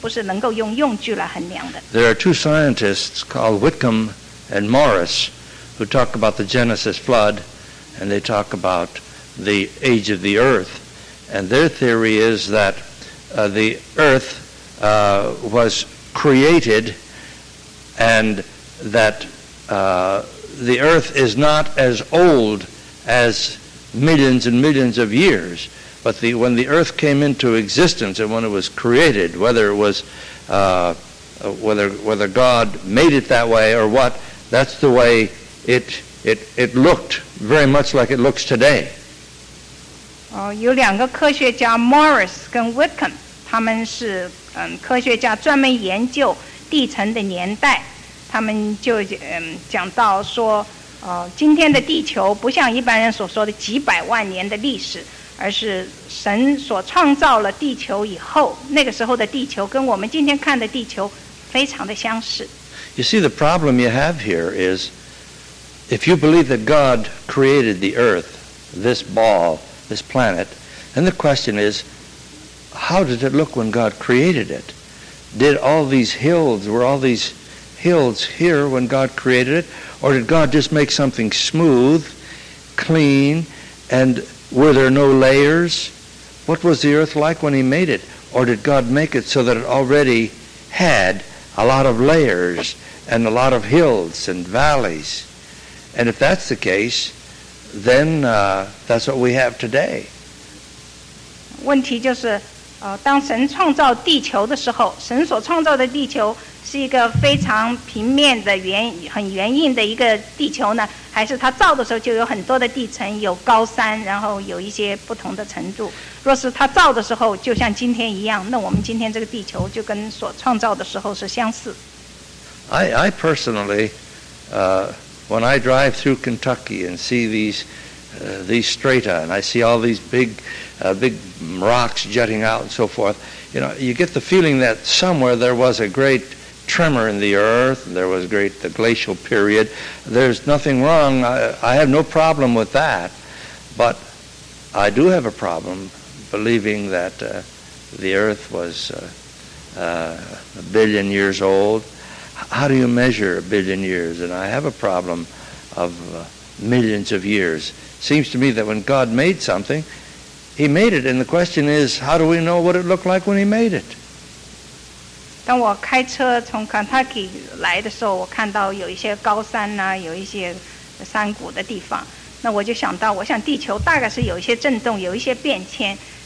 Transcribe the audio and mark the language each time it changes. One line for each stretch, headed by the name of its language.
Chinese: 考古学家另外一个试验是一个年代的方法，就是来看当时所描写的他们的用具是什么，然后我们来根据他们的用具来看那些用具是用在什么年代。但是这个问题所讲的是在人类的开始，应该在地球什么时候开始的时候就应该开始了，所以也不是能够用用具来衡量的。
English: There are two scientists called Whitcomb and Morris who talk about the Genesis flood, and they talk about the age of the earth. And their theory is that the earth was created, and that the earth is not as old as millions and millions of years. But when the earth came into existence and when it was created, whether it was whether God made it that way or what, that's the way it looked, very much like it looks today.
Chinese: 有两个科学家 Morris 跟 Whitcomb， 他们是科学家专门研究地层的年代，他们就讲到说，今天的地球不像一般人所说的几百万年的历史，而是神所创造了地球以后，那个时候的地球跟我们今天看的地球非常的相似。
English: You see, the problem you have here is, if you believe that God created the earth, this ball, this planet, then the question is, how did it look when God created it? Were all these hills here when God created it? Or did God just make something smooth, clean, and were there no layers? What was the earth like when he made it? Or did God make it so that it already had a lot of layers and a lot of hills and valleys? And if that's the case, then that's what we have today.
Chinese: 问题就是, 当神创造地球的时候, 神所创造的地球是一个非常平面的圆, 很圆硬的一个地球呢, 还是他造的时候就有很多的地层, 有高山, 然后有一些不同的程度。若是他造的时候, 就像今天一样, 那我们今天这个地球就跟所创造的时候是相似。
English: I personally, when I drive through Kentucky and see these strata, and I see all these big rocks jutting out and so forth, you know, you get the feeling that somewhere there was a great tremor in the earth, and there was the glacial period. There's nothing wrong. I have no problem with that. But I do have a problem believing that the earth was a billion years old. How do you measure a billion years? And I have a problem of millions of years. Seems to me that when God made something, he made it. And the question is, how do we know what it looked like when he made it?
Chinese: 当我开车从 Kentucky 来的时候，我看到有一些高山呐， 有一些山谷的地方。那我就想到，我想地球大概是有一些震动，有一些变迁。